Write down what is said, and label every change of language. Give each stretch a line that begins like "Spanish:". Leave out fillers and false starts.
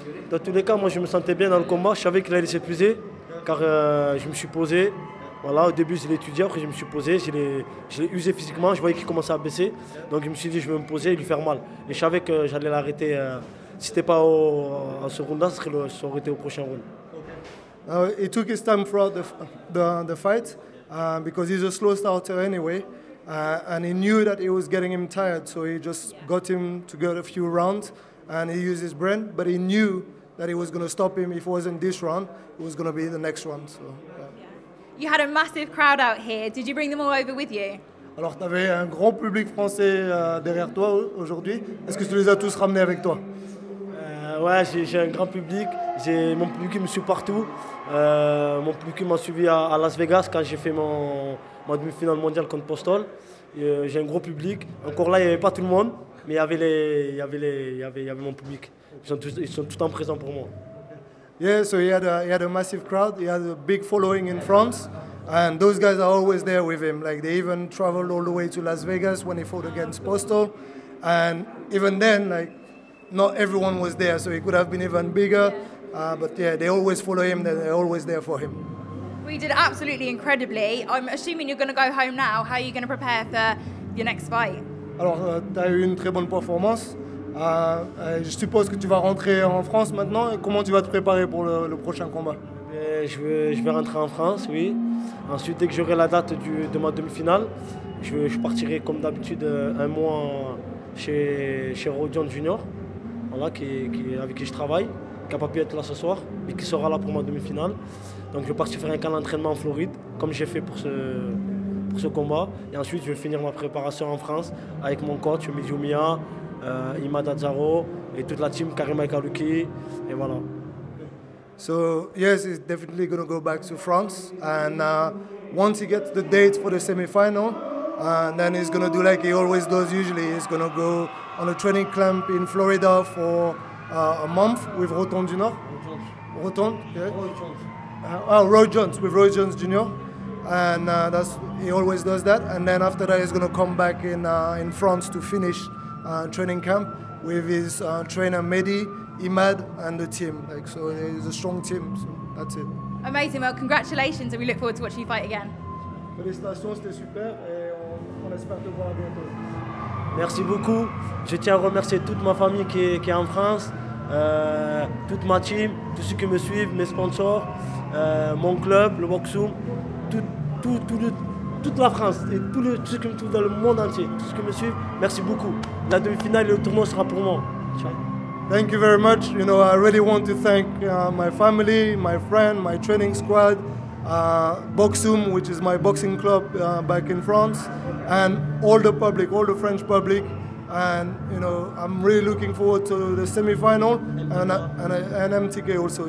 French: Dans tous les cas, moi, je me sentais bien dans le combat. Je savais qu'il allait s'épuiser, car je me suis posé. Voilà, au début je l'ai étudié, après je me suis posé, je l'ai usé physiquement, je voyais qu'il commençait à baisser. Donc je me suis dit je vais me poser et lui faire mal. Et je savais que j'allais l'arrêter. Si c'était pas à ce round-là, ça aurait été au prochain round.
English: Okay. He took his time throughout the fight, because he's a slow starter anyway. And he knew that he was getting him tired, so he just got him to go a few rounds and he used his brain, but he knew that he was gonna stop him if it wasn't this round, it was gonna be the next round. So. You had a massive crowd out here. Did you bring them all over with you?
French: Alors, tu avais un grand public français derrière toi aujourd'hui. Est-ce que tu les as tous ramenés avec toi? Ouais, j'ai un grand public. Mon public me suit partout. Mon public m'a suivi à Las Vegas quand j'ai fait ma demi-finale mondiale contre Postol. J'ai un gros public. Encore là, il n'y avait pas tout le monde, mais il y avait mon public. Ils sont tout le temps présents pour moi.
English: Yeah, so he had a massive crowd. He had a big following in France, and those guys are always there with him. Like, they even traveled all the way to Las Vegas when he fought against Postol, and even then, like, not everyone was there, so he could have been even bigger. But yeah, they always follow him. They're always there for him. We did absolutely incredibly. I'm assuming you're going to go home now. How are you going to prepare for your next fight?
French: Alors, t'as eu une très bonne performance. Je suppose que tu vas rentrer en France maintenant. Et comment tu vas te préparer pour le prochain combat? Je vais rentrer en France, oui. Ensuite, dès que j'aurai la date de ma demi-finale, je partirai comme d'habitude un mois chez Rodion Junior, voilà, avec qui je travaille, qui n'a pas pu être là ce soir, mais qui sera là pour ma demi-finale. Donc je vais partir faire un camp d'entraînement en Floride, comme j'ai fait pour ce combat. Et ensuite, je vais finir ma préparation en France avec mon coach, Mizumia, Imad Azaro et toute la team, Karim Aikaruki, et voilà.
English: So yes, he's definitely gonna go back to France, and once he gets the date for the semi-final, then he's gonna do like he always does usually. He's gonna go on a training camp in Florida for a month with Rotonde du Nord. Roy Jones Jr. And that's, he always does that, and then after that he's gonna come back in France to finish training camp with his trainer Mehdi Imad and the team. Like, so it's a strong team, so that's it. Amazing. Well, congratulations, and we look forward to watching you fight again.
French: Félicitations, c'était super, et on espère te voir bientôt. Merci beaucoup. Je tiens à remercier toute ma famille qui est en France, toute ma team, tous ceux qui me suivent, mes sponsors, mon club, le Boxoum, toute la France et tous ceux qui me trouvent dans le monde entier, tous ceux qui me suivent, merci beaucoup. La demi-finale et le tournoi sera pour moi. Ciao.
English: Thank you very much. You know, I really want to thank my family, my friend, my training squad, Boxoum, which is my boxing club back in France, and all the public, all the French public. And you know, I'm really looking forward to the semi-final and MTK also.